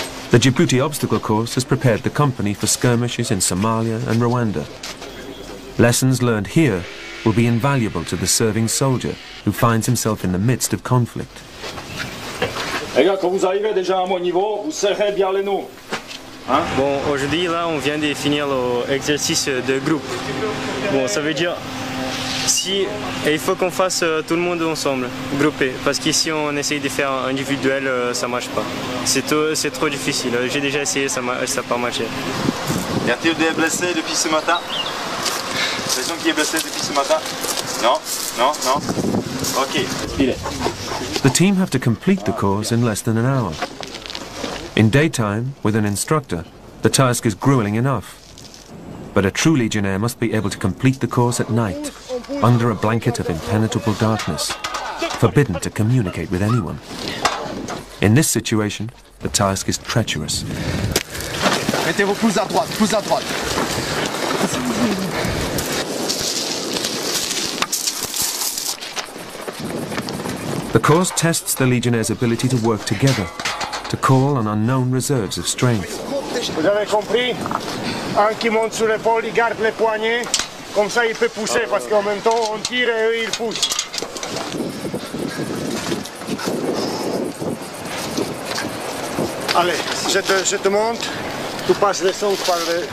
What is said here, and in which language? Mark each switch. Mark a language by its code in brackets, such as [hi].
[en] The Djibouti obstacle course has prepared the company for skirmishes in Somalia and Rwanda. Lessons learned here will be invaluable to the serving soldier who finds himself in the midst of conflict. [fr] Les gars, quand vous arrivez déjà à mon niveau, vous serrez bien les noms. Hein? Bon, aujourd'hui là, on vient de finir l'exercice de groupe. Bon, ça veut dire Merci. Et il faut qu'on fasse tout le monde ensemble, groupé. Parce qu'ici, on essaye de faire individuel, ça marche pas. C'est trop difficile. J'ai déjà essayé, ça pas marché. Y a-t-il des blessés depuis ce matin? Quelqu'un qui est blessé depuis ce matin? Non, non, non. Ok. [en] The team have to complete the course in less than an hour. In daytime, with an instructor, the task is grueling enough. But a true legionnaire must be able to complete the course at night, under a blanket of impenetrable darkness, forbidden to communicate with anyone. In this situation, the task is treacherous. [fr] Mettez-vous plus à droite, plus à droite. [en] The course tests the legionnaire's ability to work together, to call on unknown reserves of strength. [fr] Vous avez compris? Un qui monte sur l'épaule, il garde les poignets, comme ça il peut pousser, parce qu'en même temps on tire et il pousse. Allez, je te monte, tu passes les sons par les...